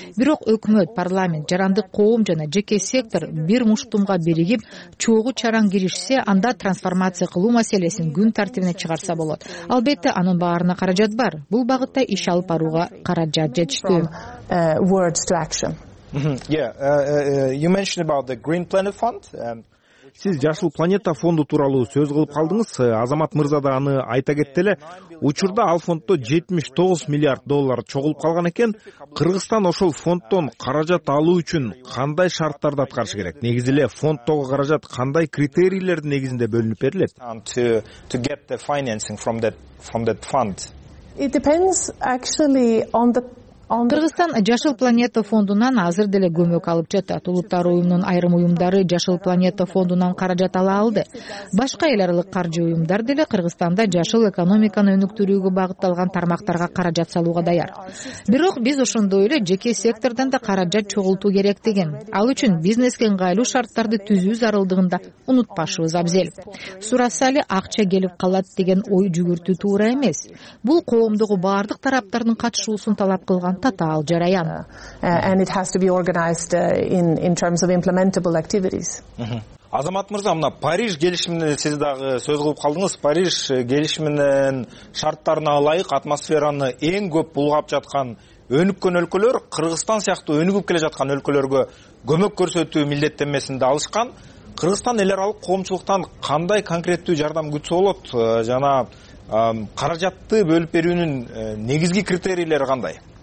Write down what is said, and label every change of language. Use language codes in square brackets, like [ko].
[ky] Бирок өкмөт, парламент, жарандык коом жана жеке сектор бир муштумга биригип, чогуу чараң киришсе, анда трансформация кылуу маселесин күн тартибине чыгарса болот. Албетте, анын баарына каражат бар. Бул багытта иш алып барууга каражат жетиштүү. [en] Words to action. You mentioned about the Green Planet Fund. [ky] Сиз жашыл планета фонду тууралуу сөз кылып калдыңыз. Азамат мырза да аны айта кетти эле. Учурда ал фонддо 79 миллиард доллар чогулуп калган экен. Кыргызстан ошол фонддон каражат алуу үчүн кандай шарттарды аткарышы керек? Негизи эле фонддогу каражат кандай критерийлердин негизинде бөлүнүп берилет? [en] To get the financing from that fund. It depends actually on the [ky] Кыргызстан жашыл планета фондунан азыр деле көмөк алып жатат. Улуттар уюмунун айрым уюмдары жашыл планета фондунан каражат ала алды. Башка эл аралык каржы уюмдар деле Кыргызстанда жашыл экономиканы өнүктүрүүгө багытталган тармактарга каражат салууга даяр. Бирок биз ошондой эле жеке сектордон да каражат чогултуу керек деген. Ал үчүн бизнеске ыңгайлуу шарттарды түзүү зарылдыгында унутпашыбыз абзел. Сураса эле акча келип калат деген ой жүгүртүү туура эмес. Бул коомдогу баардык тараптардын катышуусун талап кылган татаал жараян. [en] And it has to be organized in terms of implementable activities. [ky] Азамат мырза, мына Париж келишимине сиз дагы сөз кылып калдыңыз. Париж келишиминин шарттарына ылайык атмосфераны эң көп булгап жаткан өнүккөн өлкөлөр Кыргызстан сыяктуу өнүгүп келе жаткан өлкөлөргө көмөк көрсөтүү милдеттенмесин да алышкан. Кыргызстан эл аралык коомчулуктан кандай конкреттүү жардам күтсө болот жана каражатты бөлүп берүүнүн негизги критерийлери кандай?